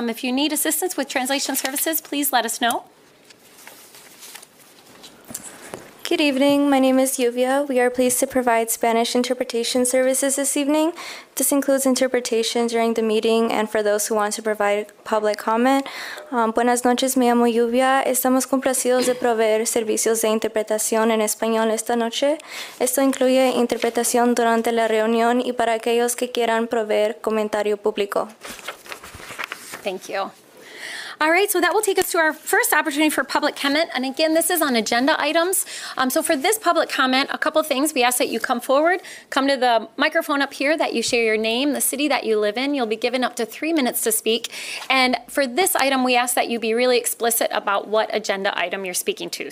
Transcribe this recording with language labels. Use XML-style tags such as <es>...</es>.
<en>If you need assistance with translation services, please let us know. Good evening. My name is Yuvia. We are pleased to provide Spanish interpretation services this evening. This includes interpretation during the meeting and for those who want to provide public comment.</en> <es>Buenas noches. Me llamo Yuvia. Estamos complacidos de proveer servicios de interpretación en español esta noche. Esto incluye interpretación durante la reunión y para aquellos que quieran proveer comentario público.</es> <en>Thank you. All right, so that will take us to our first opportunity for public comment. And again, this is on agenda items. So for this public comment, a couple things. We ask that you come forward, come to the microphone up here, that you share your name, the city that you live in. You'll be given up to 3 minutes to speak. And for this item, we ask that you be really explicit about what agenda item you're speaking to.</en>